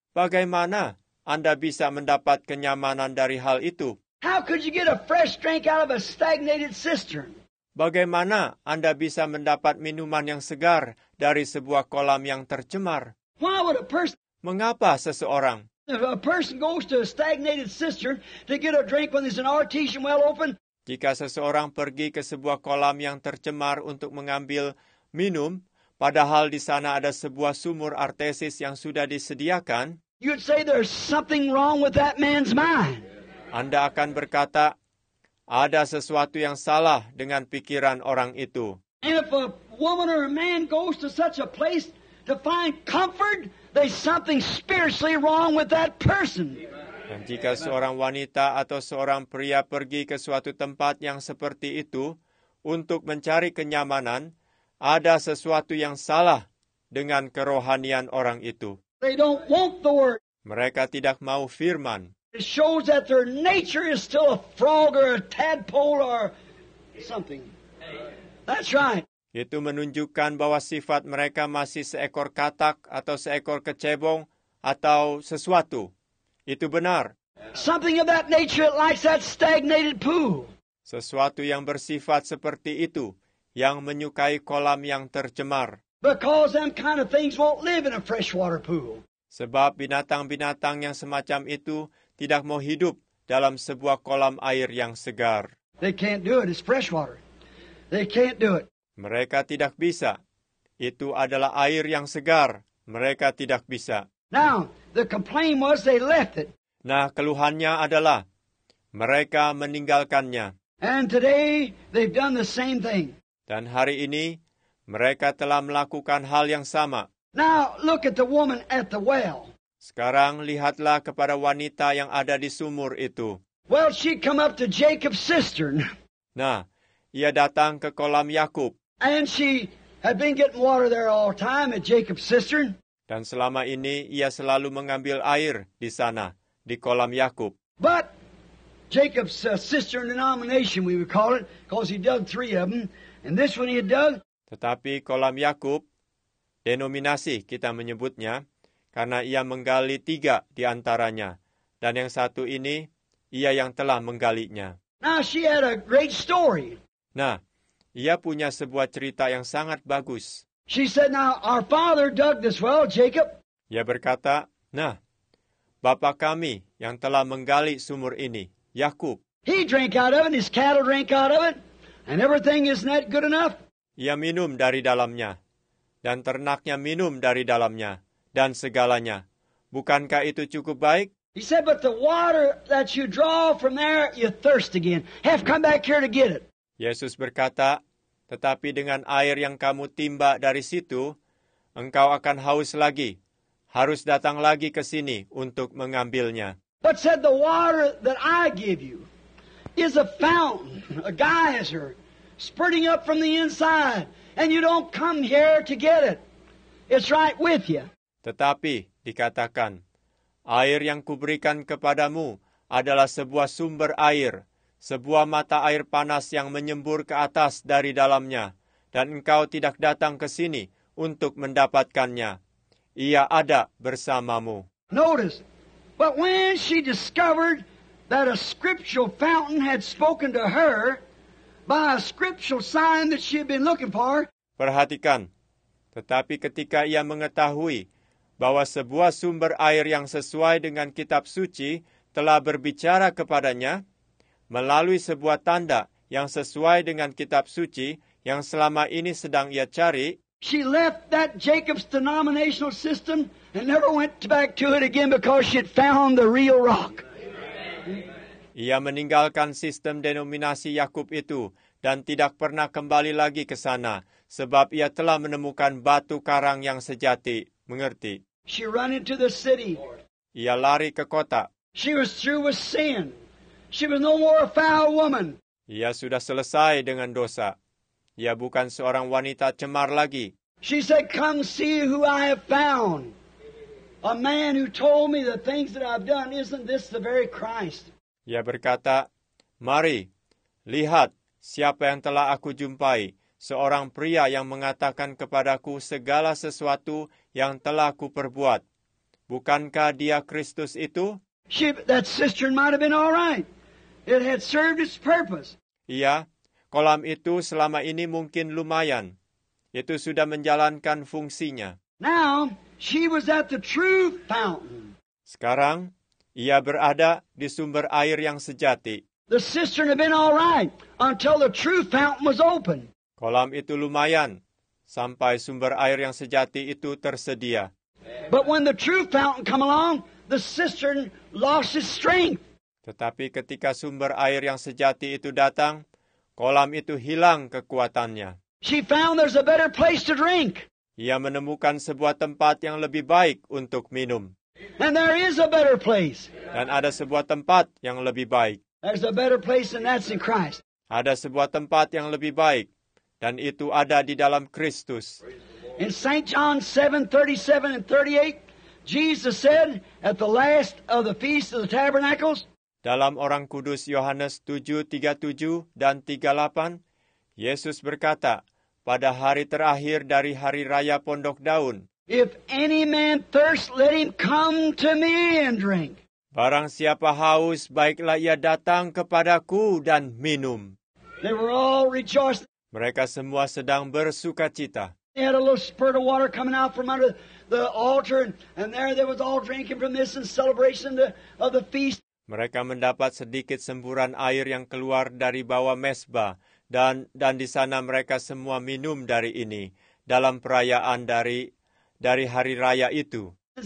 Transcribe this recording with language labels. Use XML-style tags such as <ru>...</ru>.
<id>Bagaimana Anda bisa mendapat kenyamanan dari hal itu?</id> <en>How could you get a fresh drink out of a stagnated cistern?</en> <id>Bagaimana Anda bisa mendapat minuman yang segar dari sebuah kolam yang tercemar?</id> <en>Why would a person...</en> <id>Mengapa seseorang?</id> <en>If a person goes to a stagnated cistern to get a drink when there's an artesian well open.</en> <id>Jika seseorang pergi ke sebuah kolam yang tercemar untuk mengambil minum, padahal di sana ada sebuah sumur artesis yang sudah disediakan,</id> <en>you'd say there's something wrong with that man's mind.</en> <id>Anda akan berkata, ada sesuatu yang salah dengan pikiran orang itu.</id> <en>And if a woman or a man goes to such a place to find comfort, there's something spiritually wrong with that person.</en> <id>Dan jika seorang wanita atau seorang pria pergi ke suatu tempat yang seperti itu untuk mencari kenyamanan, ada sesuatu yang salah dengan kerohanian orang itu.</id> <en>They don't want the word.</en> <id>Mereka tidak mau firman.</id> <en>It shows that their nature is still a frog or a tadpole or something. That's right.</en> <id>Itu menunjukkan bahwa sifat mereka masih seekor katak atau seekor kecebong atau sesuatu. Itu benar.</id> <en>Something of that nature likes that stagnated pool.</en> <id>Sesuatu yang bersifat seperti itu, yang menyukai kolam yang tercemar.</id> <en>Because them kind of things won't live in a freshwater pool.</en> <id>Sebab binatang-binatang yang semacam itu tidak mau hidup dalam sebuah kolam air yang segar.</id> <en>They can't do it. It's freshwater. They can't do it.</en> <id>Mereka tidak bisa. Itu adalah air yang segar. Mereka tidak bisa.</id> <en>Now, the complaint was they left it.</en> <id>Nah, keluhannya adalah mereka meninggalkannya.</id> <en>And today they've done the same thing.</en> <id>Dan hari ini mereka telah melakukan hal yang sama.</id> <en>Now, look at the woman at the well.</en> <id>Sekarang lihatlah kepada wanita yang ada di sumur itu.</id> <en>Well, she come up to Jacob's cistern.</en> <id>Nah, ia datang ke kolam Yakub.</id> <en>And she had been getting water there all time at Jacob's cistern.</en> <id>Dan selama ini ia selalu mengambil air di sana di kolam Yakub.</id> <en>But Jacob's cistern denomination, we would call it, because he dug three of them, and this one he had dug.</en> <id>Tetapi kolam Yakub, denominasi kita menyebutnya, karena ia menggali tiga di antaranya, dan yang satu ini ia yang telah menggalinya.</id> <en>Now she had a great story.</en> <id>Nah, ia punya sebuah cerita yang sangat bagus.</id> <en>She said, "Now our father dug this well, Jacob."</en> <id>Ia berkata, "Nah, bapak kami yang telah menggali sumur ini, Yakub."</id> <en>He drank out of it, his cattle drank out of it, and everything isn't that good enough.</en> <id>Ia minum dari dalamnya, dan ternaknya minum dari dalamnya, dan segalanya. Bukankah itu cukup baik?</id> <en>He said, "But the water that you draw from there, you thirst again. Have come back here to get it."</en> <id>Yesus berkata, tetapi dengan air yang kamu timba dari situ, engkau akan haus lagi. Harus datang lagi ke sini untuk mengambilnya.</id> <en>But said the water that I give you is a fountain, a geyser, spurting up from the inside, and you don't come here to get it. It's right with you.</en> <id>Tetapi dikatakan, air yang kuberikan kepadamu adalah sebuah sumber air, sebuah mata air panas yang menyembur ke atas dari dalamnya, dan engkau tidak datang ke sini untuk mendapatkannya. Ia ada bersamamu.</id> <en>Notice, but when she discovered that a scriptural fountain had spoken to her by a scriptural sign that she had been looking for.</en> <id>Perhatikan, tetapi ketika ia mengetahui bahwa sebuah sumber air yang sesuai dengan kitab suci telah berbicara kepadanya melalui sebuah tanda yang sesuai dengan kitab suci yang selama ini sedang ia cari,</id> <en>she left that Jacob's denominational system and never went back to it again because she had found the real rock.</en> <id>Ia meninggalkan sistem denominasi Yakub itu dan tidak pernah kembali lagi ke sana sebab ia telah menemukan batu karang yang sejati. Mengerti?</id> <en>She ran into the city.</en> <id>Ia lari ke kota.</id> <en>She was through with sin. She was no more a foul woman.</en> <id>Ia sudah selesai dengan dosa. Ia bukan seorang wanita cemar lagi.</id> <en>She said, "Come see who I have found. A man who told me the things that I've done. Isn't this the very Christ?"</en> <id>Ia berkata, "Mari, lihat siapa yang telah aku jumpai. Seorang pria yang mengatakan kepadaku segala sesuatu yang telah ku perbuat. Bukankah dia Kristus itu?"</id> <en>That sister might have been all right. It had served its purpose.</en> <id>Ia, kolam itu selama ini mungkin lumayan. Itu sudah menjalankan fungsinya.</id> <en>Now, she was at the true fountain.</en> <id>Sekarang, ia berada di sumber air yang sejati.</id> <en>The cistern had been all right until the true fountain was open.</en> <id>Kolam itu lumayan sampai sumber air yang sejati itu tersedia.</id> <en>But when the true fountain come along, the cistern lost its strength.</en> <id>Tetapi ketika sumber air yang sejati itu datang, kolam itu hilang kekuatannya.</id> <en>She found there's a better place to drink.</en> <id>Ia menemukan sebuah tempat yang lebih baik untuk minum.</id> <en>And there is a better place.</en> <id>Dan ada sebuah tempat yang lebih baik.</id> <en>There's a better place and that's in Christ.</en> <id>Ada sebuah tempat yang lebih baik dan itu ada di dalam Kristus.</id> <en>In St. John 7:37 and 38, Jesus said at the last of the feast of the tabernacles.</en> <id>Dalam Orang Kudus Yohanes 7:37 dan 38, Yesus berkata, pada hari terakhir dari hari raya Pondok Daun,</id> <en>"If any man thirst, let him come to me and drink."</en> <id>Barang siapa haus, baiklah ia datang kepadaku dan minum.</id> <en>They were all rejoiced.</en> <id>Mereka semua sedang bersukacita.</id> <en>They had a little spurt of water coming out from under the altar and there was all drinking from this in celebration of the feast.</en> <id>Mereka mendapat sedikit semburan air yang keluar dari bawah mesbah dan di sana mereka semua minum dari ini dalam perayaan dari hari raya itu.</id>